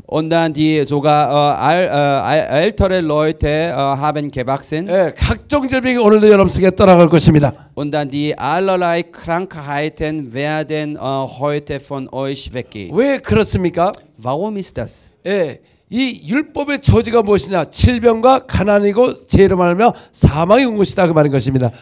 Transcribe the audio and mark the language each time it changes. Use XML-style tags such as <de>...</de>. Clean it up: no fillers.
<de>Und dann die sogar ältere Leute haben gewachsen.</de> <ko>예, 각종 질병이 오늘도 여러분 속에 떠나갈 것입니다.</ko> <de>Und dann die allerlei Krankheiten werden heute von euch weggehen.</de> <ko>왜 그렇습니까?</ko> <de>Warum ist das?</de> <ko>예, 이 율법의 저지가 무엇이냐? 질병과 가난이고 죄로 말미암아 사망이 온 것이다 그 말인 것입니다.</ko>